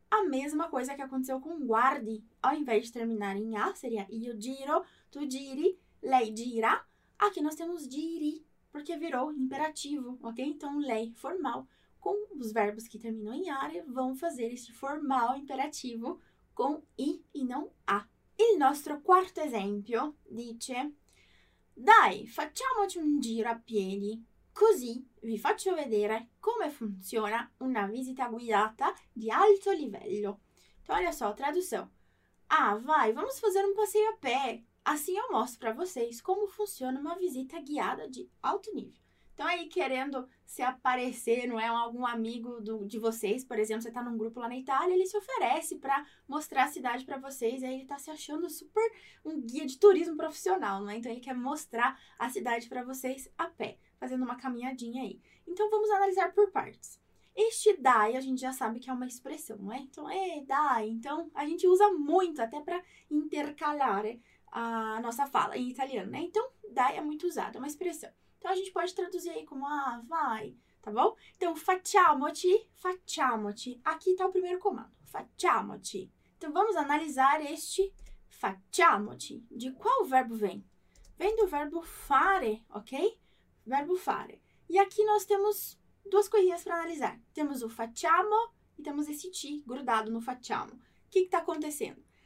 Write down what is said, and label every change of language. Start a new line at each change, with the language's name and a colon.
Portuguese: A mesma coisa que aconteceu com guardi. Ao invés de terminar em A, seria
Italian: io giro, tu giri, lei gira.
Portuguese: Aqui nós temos giri, porque virou imperativo, ok? Então, lei formal com os verbos que terminam em are vão fazer esse formal imperativo com i e não a.
Italian: Il nostro quarto esempio dice: Dai, facciamoci un giro a piedi, così vi faccio vedere come funziona una visita guidata di alto livello.
Portuguese: Então, olha só, tradução. Ah, vai, vamos fazer um passeio a pé. Assim eu mostro para vocês como funciona uma visita guiada de alto nível. Então, aí, querendo se aparecer, não é? Algum amigo de vocês, por exemplo, você está num grupo lá na Itália, ele se oferece para mostrar a cidade para vocês, aí ele está se achando super um guia de turismo profissional, não é? Então, ele quer mostrar a cidade para vocês a pé, fazendo uma caminhadinha aí. Então, vamos analisar por partes. Este dai, a gente já sabe que é uma expressão, não é? Então, é dai. Então, a gente usa muito até para intercalar a nossa fala em italiano, né? Então, dai é muito usado, é uma expressão. Então, a gente pode traduzir aí como ah, vai, tá bom? Então, facciamoci, facciamoci. Aqui está o primeiro comando, facciamoci. Então, vamos analisar este facciamoci. De qual verbo vem? Vem do verbo fare, ok? Verbo fare. E aqui nós temos duas coisinhas para analisar. Temos o facciamo e temos esse ti grudado no facciamo. O que está acontecendo?